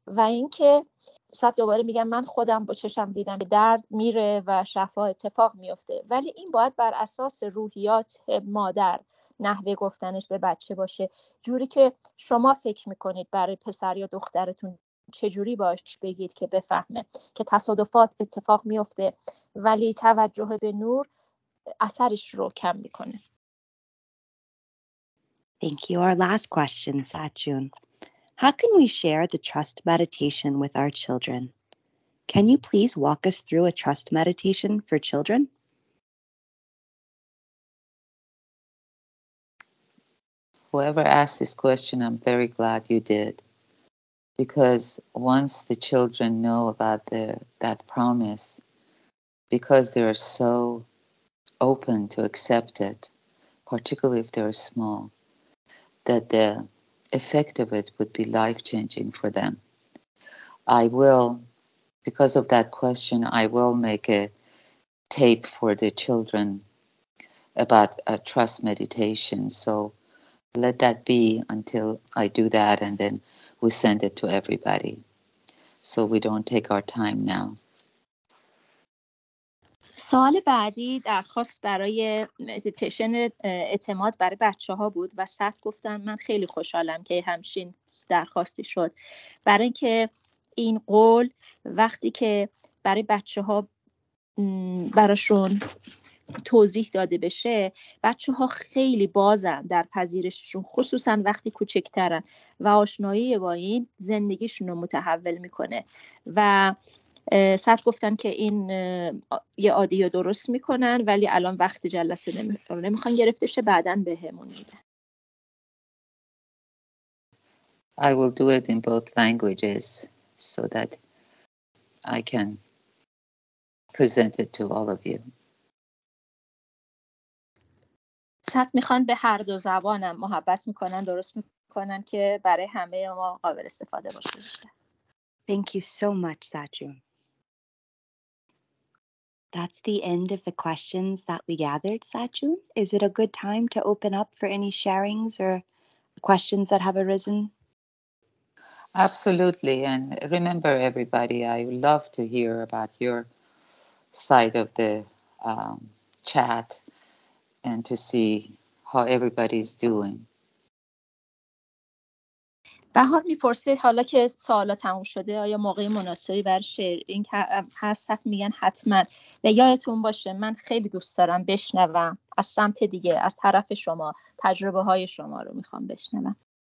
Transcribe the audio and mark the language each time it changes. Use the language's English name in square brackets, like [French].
[Persian] و اینکه صد دوباره میگم، من خودم با چشم دیدم که درد میره و شفا اتفاق میفته، ولی این باید بر اساس روحیات مادر نحوه گفتنش به بچه باشه، جوری که شما فکر میکنید برای پسر یا دخترتون چجوری باش بگید که بفهمه که تصادفات اتفاق میفته، ولی توجه به نور اثرش رو کم میکنه. [English] Thank you. Our last question, Sachun. How can we share the trust meditation with our children? Can you please walk us through a trust meditation for children? Whoever asked this question, I'm very glad you did. Because once the children know about that promise, because they are so open to accept it, particularly if they are small, that the effect of it would be life-changing for them. I will, because of that question, I will make a tape for the children about a trust meditation. So let that be until I do that, and then we send it to everybody so we don't take our time now. [Persian] سوال بعدی درخواست برای مدیتیشن اعتماد برای بچه‌ها بود و صد گفتم من خیلی خوشحالم که همچین درخواستی شد، برای اینکه این قول وقتی که برای بچه‌ها براشون توضیح داده بشه، بچه‌ها خیلی بازن در پذیرششون، خصوصا وقتی کوچکترن، و آشنایی با این زندگیشون رو متحول میکنه. و صد گفتن که این یه آدیو درست میکنن، ولی الان وقت جلسه نمیخوان گرفته شه، بعدن بهمون میدن. [English] I will do it in both languages so that I can present it to all of you. [Persian] صد میخوان به هر دو زبانم محبت میکنن، درست میکنن که برای همه ما قابل استفاده باشه. [English] Thank you so much, Sachun. That's the end of the questions that we gathered, Sachun. Is it a good time to open up for any sharings or questions that have arisen? Absolutely. And remember, everybody, I would love to hear about your side of the chat and to see how everybody's doing. [Persian] بهار میپرسه حالا که سوالا تموم شده آیا موقع مناسبی برای شیرینگ هست؟ میگن حتما. و یادتون باشه من خیلی دوست دارم بشنوم از سمت دیگه، از طرف شما، تجربه های شما رو میخوام بشنوم.